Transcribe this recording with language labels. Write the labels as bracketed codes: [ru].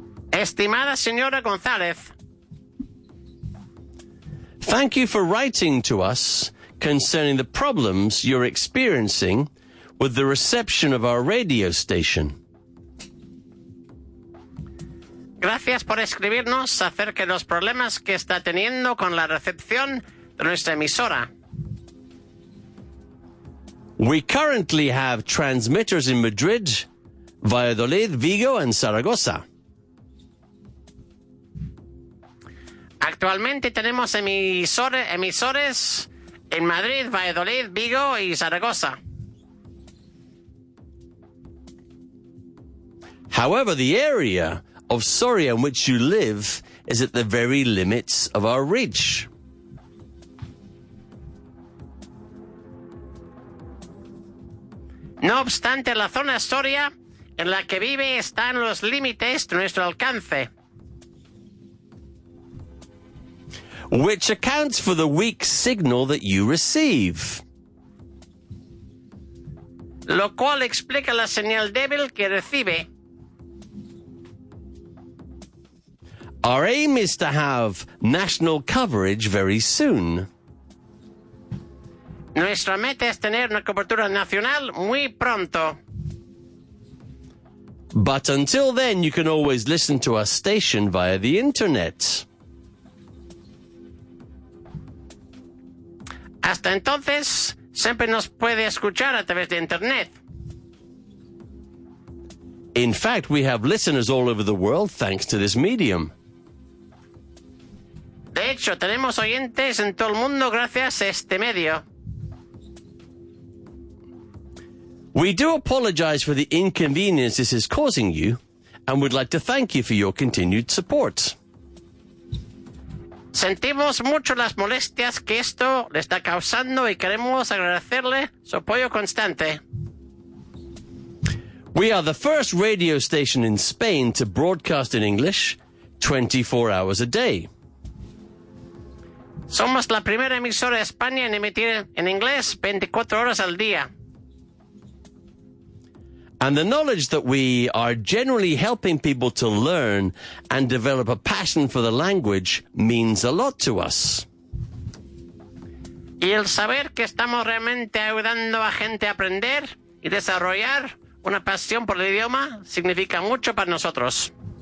[es] Estimada señora González. [en] Thank you for writing to us concerning the problems you're experiencing with the reception of our radio station. [es] Gracias por escribirnos acerca de los problemas que está teniendo con la recepción de nuestra emisora. [en] We currently have transmitters in Madrid, Valladolid, Vigo and Zaragoza. [es] Actualmente tenemos emisores en Madrid, Valladolid, Vigo y Zaragoza. [en] However, the area of Soria in which you live is at the very limits of our reach. [es] No obstante, la zona Soria en la que vive está en los límites de nuestro alcance. [en] Which accounts for the weak signal that you receive. [es] Lo cual explica la señal débil que recibe. [en] Our aim is to have national coverage very soon. [es] Nuestra meta es tener una cobertura nacional muy pronto. [en] But until then, you can always listen to our station via the internet. [es] Hasta entonces, siempre nos puede escuchar a través de internet. [en] In fact, we have listeners all over the world thanks to this medium. [es] De hecho, tenemos oyentes en todo el mundo gracias a este medio. [en] We do apologize for the inconvenience this is causing you, and we'd like to thank you for your continued support. [es] Sentimos mucho las molestias que esto le está causando y queremos agradecerle su apoyo constante. [en] We are the first radio station in Spain to broadcast in English 24 hours a day. [es] Somos la primera emisora de España en emitir en inglés 24 horas al día. [en] And the knowledge that we are generally helping people to learn and develop a passion for the language means a lot to us. [es] Y el saber que estamos realmente ayudando a gente a aprender y desarrollar una pasión por el idioma significa mucho para nosotros.